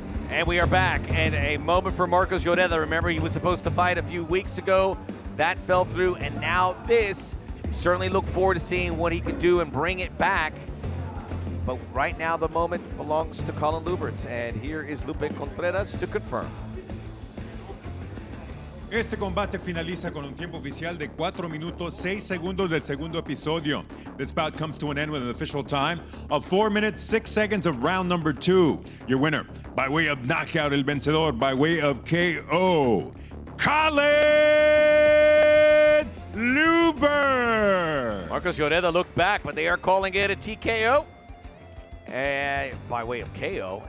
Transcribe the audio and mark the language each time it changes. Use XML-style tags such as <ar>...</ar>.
<en>And we are back, and a moment for Marcos Lloreda. Remember, he was supposed to fight a few weeks ago. That fell through, and now this. Certainly look forward to seeing what he could do and bring it back. But right now, the moment belongs to Collin Lubberts, and here is Lupe Contreras to confirm.</en> <es>Este combate finaliza con un tiempo oficial de 4 minutos 6 segundos del segundo episodio.</es> <en>This bout comes to an end with an official time of 4 minutes 6 seconds of round number 2. Your winner, by way of knockout,</en> <es>el vencedor,</es> <en>by way of KO, Collin Lubberts. Marcos Lloreda looked back, but they are calling it a TKO by way of KO.</en>